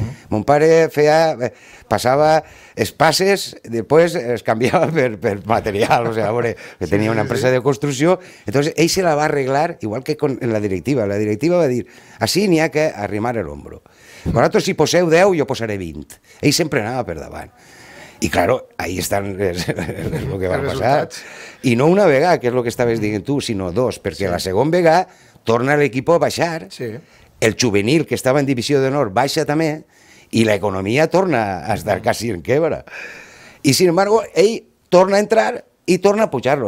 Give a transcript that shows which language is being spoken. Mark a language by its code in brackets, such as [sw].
[ca] Mon pare feia, passava els passes, després es canviava per material, o sigui, a veure, que tenia una empresa de construcció, entonces ell se la va arreglar, igual que en la directiva va dir, així n'hi ha que arrimar l'ombro. Vosaltres si poseu 10, jo posaré 20. Ell sempre anava per davant. [es] I claro, ahí están lo que va a pasar. [ca] I no una vegada, que és lo que estaves dient tu, sinó dos, perquè sí, la segona vegada torna l'equip a baixar, sí, el juvenil que estava en divisió d'honor baixa també, i l'economia torna a estar quasi en quebra. I [es] sin embargo, [ca] ell torna a entrar i torna a pujar-lo.